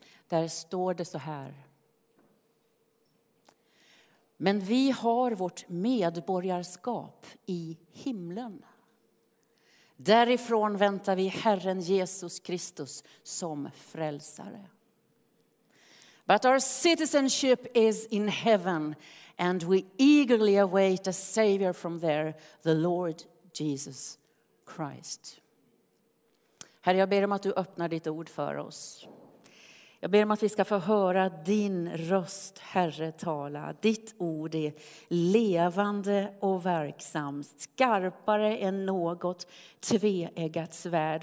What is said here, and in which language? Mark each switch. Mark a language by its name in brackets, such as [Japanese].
[Swedish] Där står det så här. Men vi har vårt medborgarskap i himlen. Därifrån väntar vi Herren Jesus Kristus som frälsare. [English] But our citizenship is in heaven, and we eagerly await a savior from there, the Lord Jesus Christ. [Swedish] Herre, jag ber om att du öppnar ditt ord för oss. Jag ber om att vi ska få höra din röst, Herre, tala. Ditt ord är levande och verksamt, skarpare än något tveeggat svärd.